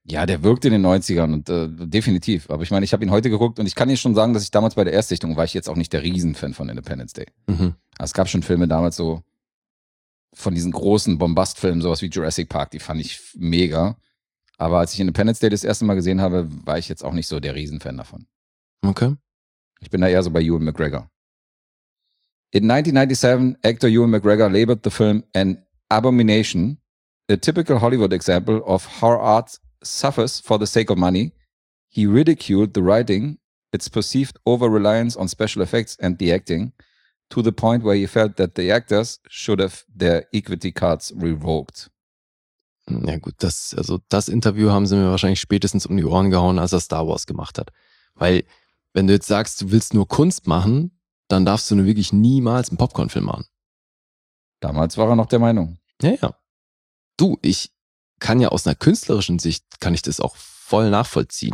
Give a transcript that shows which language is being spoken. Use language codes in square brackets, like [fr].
[de] Ja, der wirkte in den 90ern und definitiv. Aber ich meine, ich habe ihn heute geguckt und ich kann dir schon sagen, dass ich damals bei der Erstsichtung war ich jetzt auch nicht der Riesenfan von Independence Day. Mhm. Es gab schon Filme damals so von diesen großen Bombastfilmen, sowas wie Jurassic Park, die fand ich mega. Aber als ich Independence Day das erste Mal gesehen habe, war ich jetzt auch nicht so der Riesenfan davon. Okay. Ich bin da eher so bei Ewan McGregor. [en] In 1997, actor Ewan McGregor labeled the film an abomination, a typical Hollywood example of how art suffers for the sake of money. He ridiculed the writing, its perceived over-reliance on special effects and the acting, to the point where he felt that the actors should have their equity cards revoked. [de] Ja gut, das Interview haben sie mir wahrscheinlich spätestens um die Ohren gehauen, als er Star Wars gemacht hat. Weil, wenn du jetzt sagst, du willst nur Kunst machen, dann darfst du nur wirklich niemals einen Popcorn-Film machen. Damals war er noch der Meinung. Ja, ja. Du, ich kann ja aus einer künstlerischen Sicht, kann ich das auch voll nachvollziehen.